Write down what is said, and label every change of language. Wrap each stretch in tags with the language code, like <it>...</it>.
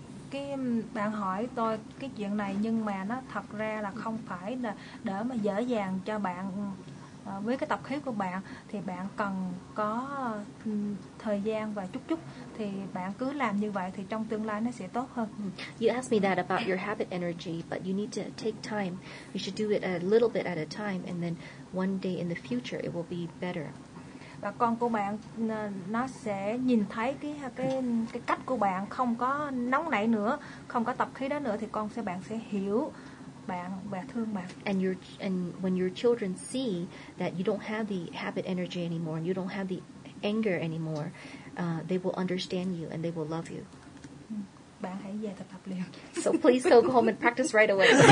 <vi>Cái bạn hỏi tôi cái chuyện này nhưng mà nó thật ra là không phải là để mà dễ dàng cho bạn với cái tập khí của bạn thì bạn cần có thời gian và chút chút thì bạn cứ làm như vậy thì trong tương lai nó sẽ tốt hơn.</vi> <en>You asked me that about your habit energy, but you need to take time. You should do it a little bit at a time and then one day in the future it will be better.</en> <vi>Và con của bạn nó sẽ nhìn thấy cái cách của bạn không có nóng nảy nữa, không có tập khí đó nữa thì bạn sẽ hiểu.</vi> <en>And when your children see that you don't have the habit energy anymore and you don't have the anger anymore, they will understand you and they will love you.</en> <vi>Bạn hãy về tập tập liền.</vi> <en>So please go home and practice right away.</en>